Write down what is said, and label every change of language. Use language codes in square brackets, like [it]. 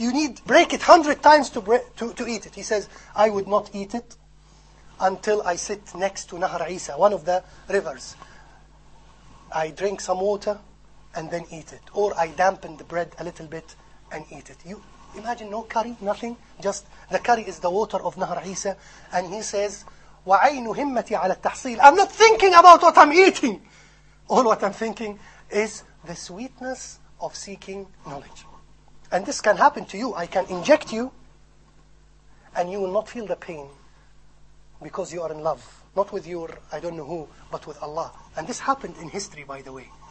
[en] You need break it 100 times to eat it. He says, I would not eat it until I sit next to Nahr Isa, one of the rivers. I drink some water and then eat it. Or I dampen the bread a little bit and eat it. You imagine no curry, nothing. Just the curry is the water of Nahr Isa. And he says, [ar] وَعَيْنُ هِمَّتِي عَلَى التَّحْصِيلِ. [en] I'm not thinking about what I'm eating. All what I'm thinking is the sweetness of seeking knowledge. And this can happen to you. I can inject you and you will not feel the pain because you are in love. Not with your, I don't know who, but with Allah. And this happened in history, by the way.